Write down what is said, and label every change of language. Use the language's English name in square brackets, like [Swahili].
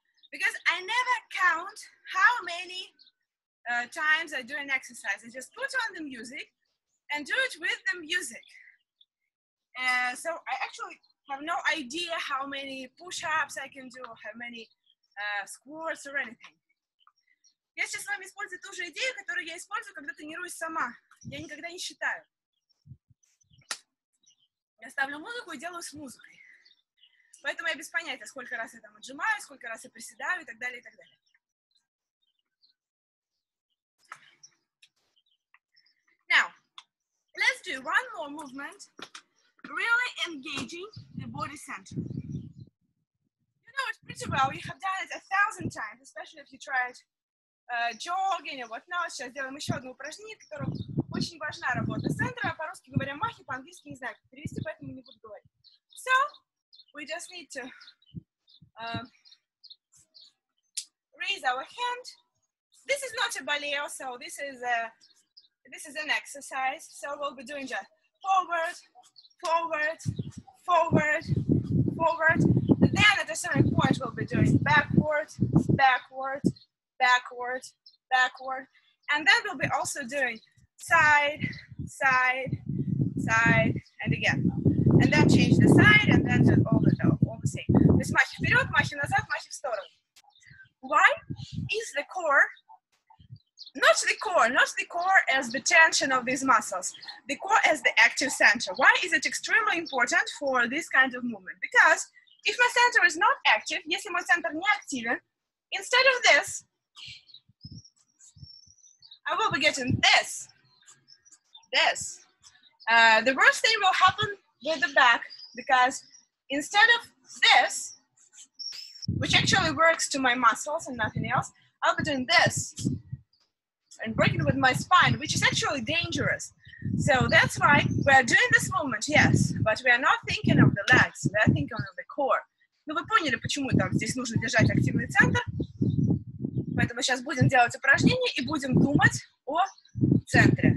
[English] Because I never count how many times I do an exercise. I just put on the music and do it with the music. So I actually have no idea how many push-ups I can do, how many squats or anything. [Russian] Я сейчас с вами использую ту же идею, которую я использую, когда тренируюсь сама. Я никогда не считаю. Я ставлю музыку и делаю с музыкой. Поэтому я без понятия, сколько раз я там отжимаю, сколько раз я приседаю и так далее, и так далее. [English] Now, let's do one more movement, really engaging the body center. You know it pretty well, you have done it 1,000 times, especially if you tried jogging or whatnot. [Russian] Сейчас делаем еще одно упражнение, в котором очень важна работа центра. По-русски говоря махи, по-английски не знаю, перевести, поэтому не буду говорить. [English] So, we just need to raise our hand. This is not a balleo, so this is an exercise. So we'll be doing just forward, forward, forward, forward. And then at a certain point, we'll be doing backward, backward, backward, backward. And then we'll be also doing side, side, side, and again. And then change the side, and then do all the same. [Russian] То есть махи вперед, махи назад, махи в сторону. [English] Why is the core? Not the core as the tension of these muscles. The core as the active center. Why is it extremely important for this kind of movement? Because if my center is not active, [Russian] если мой центр не активен, [English] instead of this, I will be getting this. This. The worst thing will happen with the back, because instead of this, which actually works to my muscles and nothing else, I'll be doing this and breaking with my spine, which is actually dangerous. So that's why we're doing this movement, yes, but we are not thinking of the legs, we are thinking of the core. [Russian] Ну вы поняли, почему там здесь нужно держать активный центр? Поэтому сейчас будем делать упражнение и будем думать о центре.